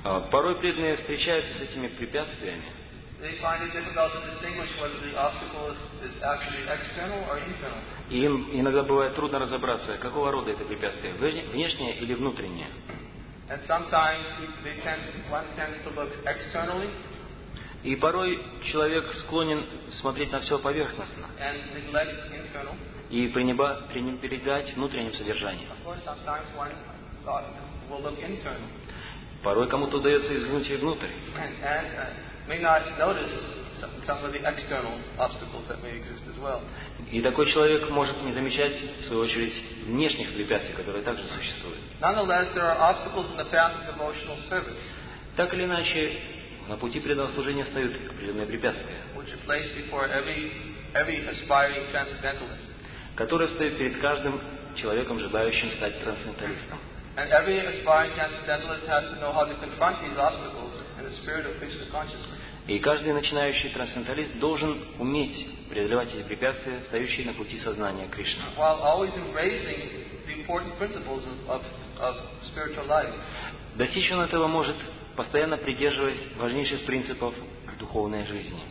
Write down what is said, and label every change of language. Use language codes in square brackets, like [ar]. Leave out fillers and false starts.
[ru] Порой преданные встречаются с этими препятствиями. Им иногда бывает трудно разобраться, какого рода это препятствие, внешнее или внутреннее. [en] And sometimes they tend, one tends to look externally. [ru] И порой человек склонен смотреть на все поверхностно. [en] And neglect internal. [ru] И пренебрегать внутренним содержанием. [en] Of course, sometimes one thought will look internal. [ru] Порой кому-то удается изгнуть внутрь. [en] And may not notice some of the external obstacles that may exist as well. [ru] И такой человек может не замечать, в свою очередь, внешних препятствий, которые также существуют. [en] Nonetheless, there are obstacles in the path of devotional service. [ru] Так или иначе, на пути преданного служения встают определенные препятствия, [en] which are placed before every aspiring transcendentalist. [ru] Которые стоят перед каждым человеком, желающим стать трансценденталистом. [en] And every aspiring transcendentalist has to know how to confront these obstacles in the spirit of Krishna consciousness. [ru] И каждый начинающий трансценденталист должен уметь преодолевать эти препятствия, стоящие на пути сознания Кришны. [en] While always embracing the important principles of spiritual life. [ru] Достичь он этого может, постоянно придерживаясь важнейших принципов духовной жизни,